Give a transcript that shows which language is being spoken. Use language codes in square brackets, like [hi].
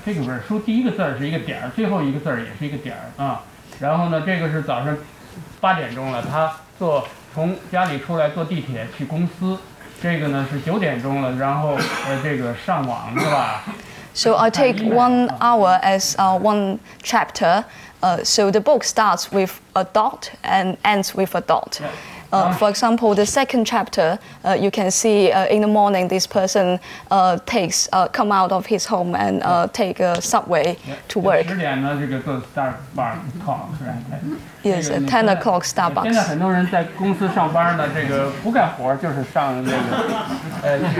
[zh] 这个本书第一个字儿是一个点儿，最后一个字儿也是一个点儿啊。然后呢，这个是早上8点钟了，他坐从家里出来坐地铁去公司。这个呢是9点钟了，然后这个上网是吧 [en] ？So I take 1 hour as one chapter. So the book starts with a dot and ends with a dot. For example, the second chapter, you can see in the morning, this person come out of his home and take a subway to work. [zh] 10点呢，这个做 Starbucks [en] talk, right? Yes, 10 o'clock Starbucks. [zh] 现在很多人在公司上班呢，这个不干活就是上那个，